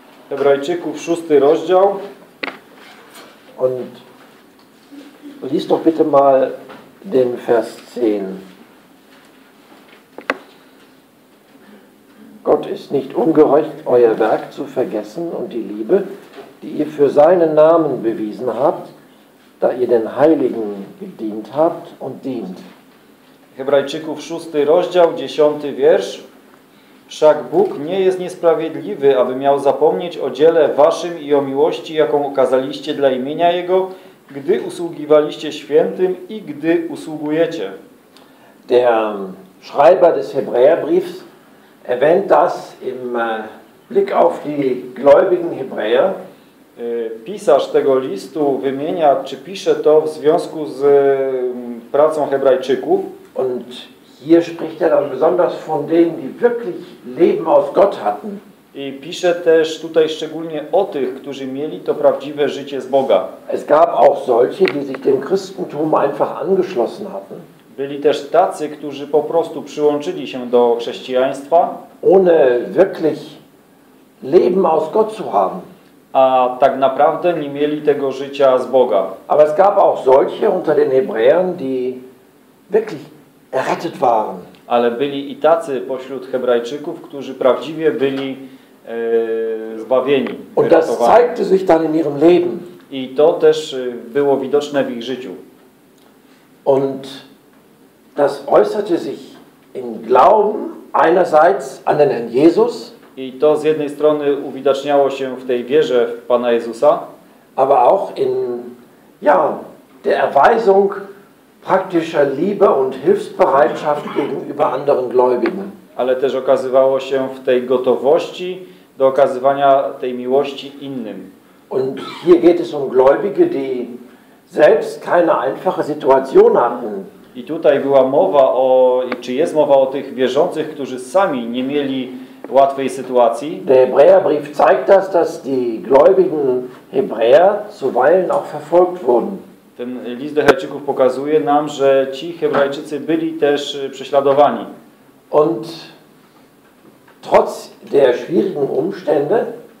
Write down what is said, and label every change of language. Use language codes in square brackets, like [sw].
[pl] Hebrajczyków 6 rozdział. [de] Und lies doch bitte mal den Vers 10. Gott ist nicht ungehorcht, euer Werk zu vergessen und die Liebe, die ihr für seinen Namen bewiesen habt, da ihr den Heiligen gedient habt und dient. [pl] Hebrajczyków 6 rozdział, 10 wiersz. Wszak Bóg nie jest niesprawiedliwy, aby miał zapomnieć o dziele waszym i o miłości, jaką okazaliście dla imienia Jego, gdy usługiwaliście świętym i gdy usługujecie. [de] Der Schreiber des Hebräerbriefs erwähnt das im Blick auf die gläubigen Hebräer. [pl] Pisarz tego listu wymienia, czy pisze to w związku z pracą hebrajczyków. [de] Und hier spricht dann besonders von denen, die wirklich Leben aus Gott hatten. [pl] I pisze też tutaj szczególnie o tych, którzy mieli to prawdziwe życie z Boga. [de] Es gab auch solche, die sich dem Christentum einfach angeschlossen hatten. [pl] Byli też tacy, którzy po prostu przyłączyli się do chrześcijaństwa. [de] Ohne wirklich Leben aus Gott zu haben. [pl] A tak naprawdę nie mieli tego życia z Boga. [de] Aber es gab auch solche unter den Hebräern, die wirklich errettet waren. [pl] Ale byli i tacy pośród Hebrajczyków, którzy prawdziwie byli zbawieni. [de] Und das zeigte sich dann in ihrem Leben. [pl] I to też było widoczne w ich życiu. [de] Und das äußerte sich im Glauben einerseits an den Herrn Jesus. [pl] I to z jednej strony uwidaczniało się w tej wierze w Pana Jezusa, [de] aber auch in ja, der Erweisung praktischer Liebe und Hilfsbereitschaft gegenüber anderen Gläubigen. [pl] Ale też okazywało się w tej gotowości do okazywania tej miłości innym. [de] Und hier geht es um Gläubige, die selbst keine einfache Situation hatten. [pl] I tutaj była mowa o, czy jest mowa o tych wierzących, którzy sami nie mieli łatwej sytuacji. [de] Der Hebräerbrief zeigt das, dass die gläubigen Hebräer zuweilen auch verfolgt wurden. [pl] Ten list do Hebrajczyków pokazuje nam, że ci Hebrajczycy byli też prześladowani. [de] Und trotz der schwierigen Umstände,